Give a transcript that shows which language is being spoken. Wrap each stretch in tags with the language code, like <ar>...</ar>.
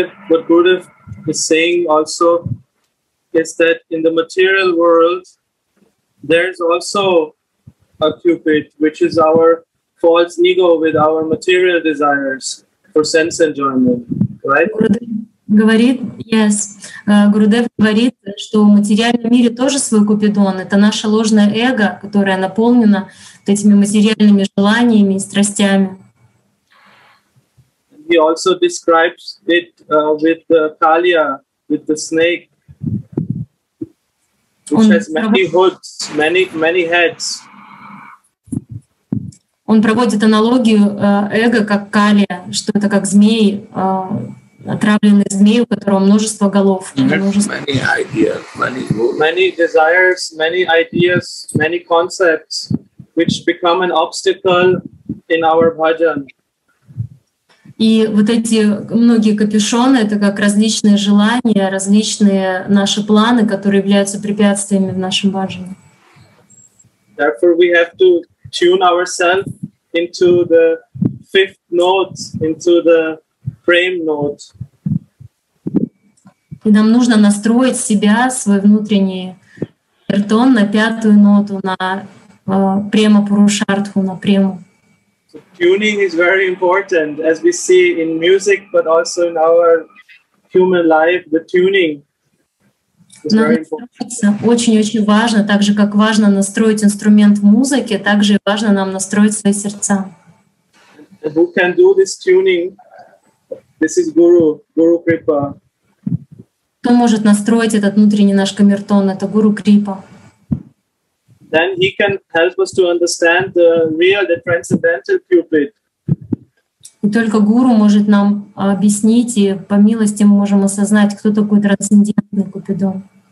<en>What Gurudev is saying also is that in the material world, there is also a Cupid, which is our false ego with our material desires for sense enjoyment, right?</en> <ru>Говорит,</ru> <en>yes.</en> <ru>Гурудев говорит, что в материальном мире тоже свой купидон. Это наше ложное эго, которое наполнено этими материальными желаниями и страстями.</ru> <en>He also describes it with the Kalia, with the snake, which has many hoods, many heads.</en> <ru>Он проводит аналогию эго как Калия, что это как змей. Отравленный змей, у которого множество голов.</ru> <en>Many desires, many ideas, many concepts, which become an obstacle in our bhajan.</en> <ru>И вот эти многие капюшоны — это как различные желания, различные наши планы, которые являются препятствиями в нашем бхаджане.</ru> <en>Therefore, we have to tune ourselves into the fifth note, into the frame note.</en> <ru>И нам нужно настроить себя, свой внутренний эртон на пятую ноту, на према пурушартху, на прему.</ru> <en>So tuning is very important, as we see in music, but also in our human life, the tuning is very important.</en> <ru>Очень-очень важно, так же, как важно настроить инструмент в музыке, так же важно нам настроить свои сердца.</ru> <en>Who can do this tuning? This is Guru, Guru Kripa.</en> <ru>Кто может настроить этот внутренний наш камертон? Это Гуру Крипа.</ru> <en>Then he can help us to understand the real, the transcendental Cupid.</en> <ru>И только Гуру может нам объяснить, и по милости мы можем осознать, кто такой трансцендентный Купидон.</ru>